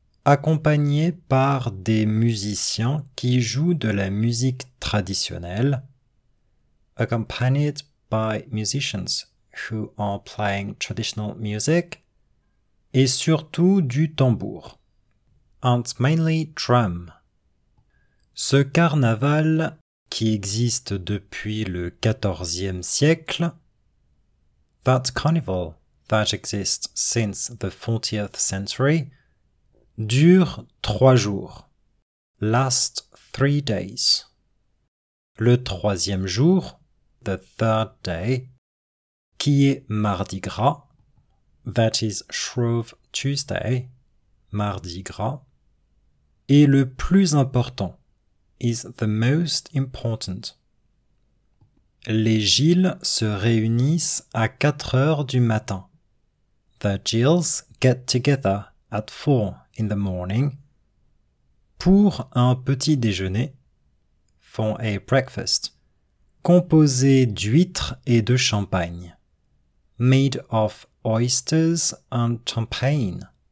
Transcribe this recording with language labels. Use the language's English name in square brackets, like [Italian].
[French] accompagné par des musiciens qui jouent de la musique traditionnelle. [English] Accompanied by musicians who are playing traditional music. [French] Et surtout du tambour. [English] And mainly drum. [French] Ce carnaval, qui existe depuis le XIVe siècle, [English] That carnival that exists since the 14th century [French] dure 3 jours. [English] Last 3 days. [French] Le troisième jour, [English] the third day, [French] qui est mardi gras, [English] that is Shrove Tuesday, [French] mardi gras, est le plus important, [English] is the most important. [French] Les Gilles se réunissent à 4 heures du matin. [English] The Gilles get together at 4 in the morning [French] pour un petit déjeuner, [English] for a breakfast, [French] composé d'huîtres et de champagne, [English] made of oysters and champagne.